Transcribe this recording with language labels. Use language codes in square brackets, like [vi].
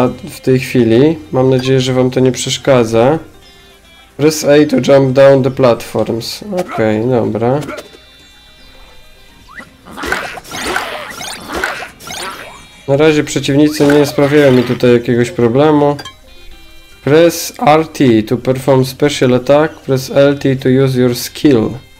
[pl] W tej chwili. Mam nadzieję, że wam to nie przeszkadza. [en] Press A to jump down the platforms. [pl] Okej, okay, dobra. Na razie przeciwnicy nie sprawiają mi tutaj jakiegoś problemu. [en] Press RT to perform special attack, press LT to use your skill.